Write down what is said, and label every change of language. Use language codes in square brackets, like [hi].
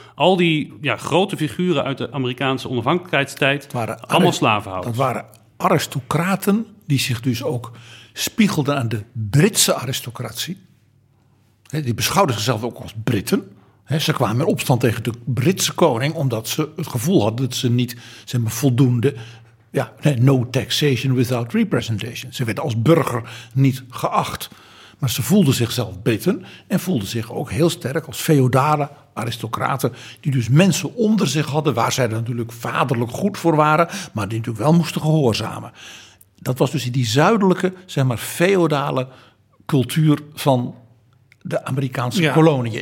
[nl] Al die grote figuren uit de Amerikaanse onafhankelijkheidstijd, het waren allemaal slavenhouders. Dat waren aristocraten die zich dus ook spiegelden aan de Britse aristocratie. Die beschouwden zichzelf ook als Britten. Ze kwamen in opstand tegen de Britse koning omdat ze het gevoel hadden dat ze niet voldoende. [en] No taxation without representation. [nl] Ze werden als burger niet geacht. Maar ze voelden zichzelf Britten en voelden zich ook heel sterk als feodale aristocraten. Die dus mensen onder zich hadden waar zij natuurlijk vaderlijk goed voor waren. Maar die natuurlijk wel moesten gehoorzamen. Dat was dus die zuidelijke, feodale cultuur van de Amerikaanse koloniën.